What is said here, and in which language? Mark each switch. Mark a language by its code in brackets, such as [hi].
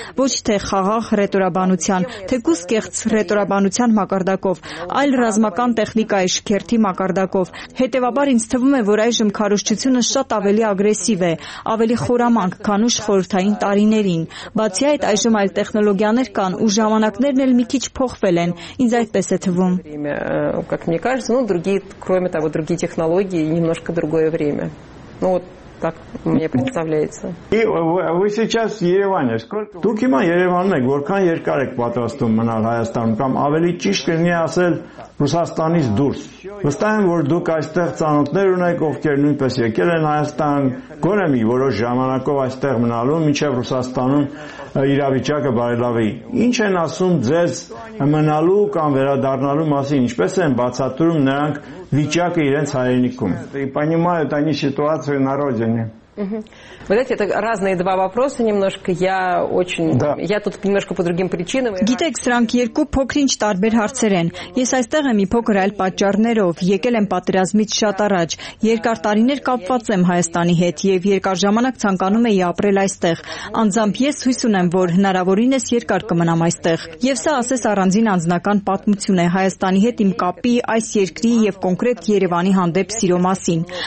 [hy] ոչ թե խաղաղ ռետորաբանության, թե կուս կեղծ ռետորաբանության մակարդակով, այլ ռազմական տեխնիկայի շքերթի մակարդակով։ Հետևաբար ինձ թվում է, որ այժմ քարոշչությունը շատ ավելի ագրեսիվ է, ավելի խորամանկ, քան ուշ խորհրդային տարիներին։ Բացի այդ, այժմ այլ տեխնոլոգիաներ կան, ու ժամանակներն էլ մի քիչ փոխվել են։ Ինձ այդպես է թվում։ [ru] Как мне кажется, ну, другие, кроме того, другие технологии, немножко другое время. Ну вот так мне представляется. И вы сейчас в Ереване. Сколько? [hy] Тут има Ереван, мег, որքան երկար եք պատրաստում մնալ Հայաստանում կամ ավելի ճիշտ կնի ասել Ռուսաստանից դուրս։ Վստահ եմ, որ դուք այստեղ ծանոթներ ունեք, ովքեր նույնպես եկել են Հայաստան, գոնե մի որոշ ժամանակով այստեղ մնալու, ոչ թե Ռուսաստանում իրավիճակը բարելավի։ Ինչ են ասում ձեզ մնալու կամ վերադառնալու մասին, ինչպես են բացատրում նրանք վիճակը իրենց հայրենիքում։ [ru] Понимают они ситуацию на родине. Угу. Вы знаете, это разные два вопроса немножко. Я очень да. Я тут немножко по другим причинам. [hy] Գիտեք, սրանք երկու փոքրինչ տարբեր հարցեր են. Ես այստեղ եմ մի փոքր այլ պատճառներով, եկել եմ պատերազմից շատ առաջ, երկար տարիներ կապված եմ Հայաստանի հետ եւ երկար ժամանակ ցանկանում եի ապրել այստեղ։ Անձամբ ես հույս ունեմ, որ հնարավորինս երկար կմնամ այստեղ։ Եվ սա ասես առանձին անձնական պատմություն է Հայաստանի հետ իմ կապի, այս երկրի եւ կոնկրետ Երևանի հանդեպ սիրո մասին։